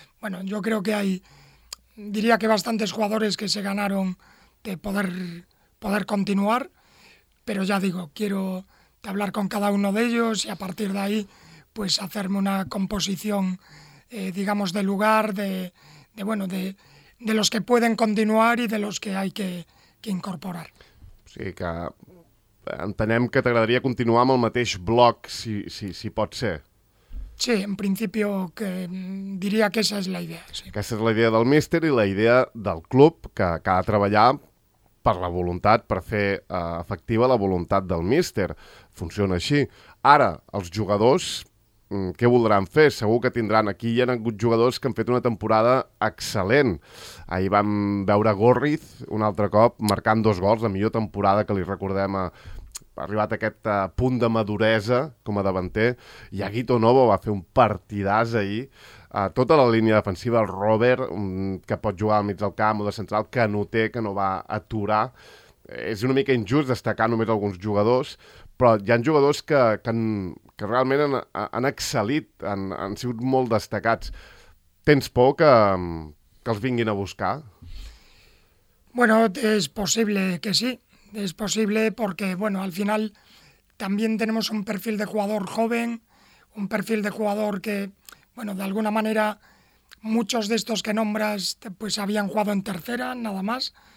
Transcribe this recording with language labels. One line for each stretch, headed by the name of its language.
Spanish: Bueno, yo creo que diría que bastantes jugadores que se ganaron de poder continuar. Pero ya digo, quiero hablar con cada uno de ellos y a partir de ahí pues hacerme una composición, digamos, de lugar, de los que pueden continuar y de los que hay que incorporar.
Catalan: O sigui que entenem que t'agradaria continuar amb el mateix bloc, si pot ser.
Spanish: Sí, en principio que diria que esa és la idea. Sí.
Catalan: Aquesta és la idea del míster i la idea del club, que ha de treballar per la voluntat, per fer efectiva la voluntat del míster. Funciona així. Ara, els jugadors, què voldran fer? Segur que tindran. Aquí hi ha hagut jugadors que han fet una temporada excel·lent. Ahir vam veure Górriz un altre cop marcant dos gols, la millor temporada que li recordem. Ha arribat aquest punt de maduresa com a davanter. I Aguito Novo va fer un partidàs ahir. Tota la línia defensiva, el Robert, que pot jugar al mig del camp o de central, que no té, que no va aturar. És una mica injust destacar només alguns jugadors, però hi ha jugadors que realment han excel·lit, han sigut molt destacats. Tens por que els vinguin a buscar?
Spanish: Bueno, es posible que sí, es posible porque, bueno, al final también tenemos un perfil de jugador joven, un perfil de jugador que, bueno, de alguna manera muchos de estos que nombras pues habían jugado en tercera, nada más.